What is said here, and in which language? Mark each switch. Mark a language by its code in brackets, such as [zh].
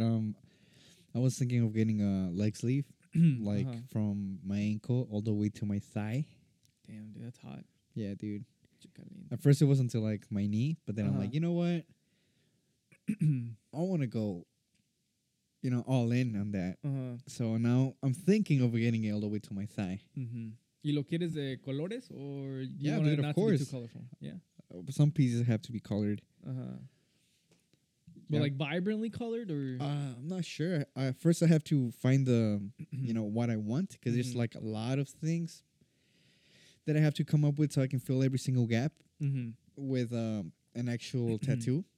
[en] I was thinking of getting a leg sleeve, like from my ankle all the way to my thigh. Damn, dude, that's hot. Yeah, dude. At first, it wasn't to like my knee, but then I'm like, you know what? I want to go, you know, all in on that. So now I'm thinking of getting it all the way to my thigh. Mm-hmm. [es] ¿Y lo quieres de colores [en] or you want it not to be too colorful? Yeah, some pieces have to be colored. But like vibrantly colored or? I'm not sure. First, I have to find the, you know, what I want because there's like a lot of things that I have to come up with so I can fill every single gap with an actual tattoo.